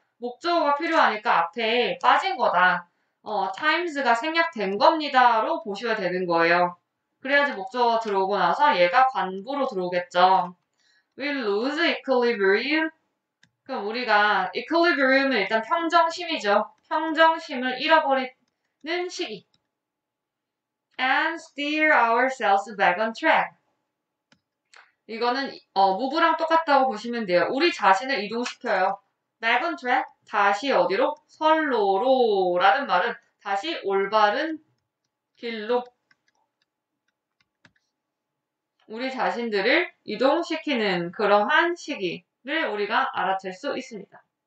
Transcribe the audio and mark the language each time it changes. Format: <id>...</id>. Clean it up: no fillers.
<ko>목적어가 필요하니까 앞에 빠진 거다. times가 생략된 겁니다로 보셔야 되는 거예요. 그래야지 목적어 들어오고 나서 얘가 관보로 들어오겠죠.</ko> <en>We'll lose equilibrium.</en> <ko>그럼 우리가 equilibrium은 일단 평정심이죠. 평정심을 잃어버리는 시기.</ko> <en>And steer ourselves back on track.</en> <ko>이거는 move랑 똑같다고 보시면 돼요. 우리 자신을 이동시켜요.</ko> <en>Back on track.</en> <ko>다시 어디로? 선로로라는 말은 다시 올바른 길로 우리 자신들을 이동시키는 그러한 시기를 우리가 알아챌 수 있습니다.</ko>